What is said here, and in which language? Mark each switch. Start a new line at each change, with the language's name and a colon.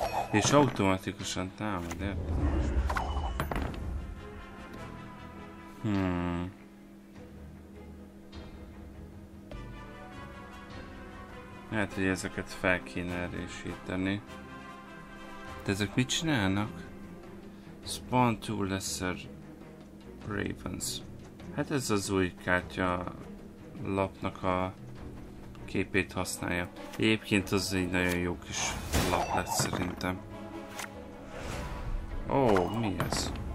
Hungarian: És automatikusan támad, érted? Lehet, hogy ezeket fel kéne erősíteni. De ezek mit csinálnak?
English: Spawn two lesser ravens.
Hungarian: Hát ez az új kártya lapnak a képét használja. Egyébként az egy nagyon jó kis lap lett szerintem. Ó, mi ez?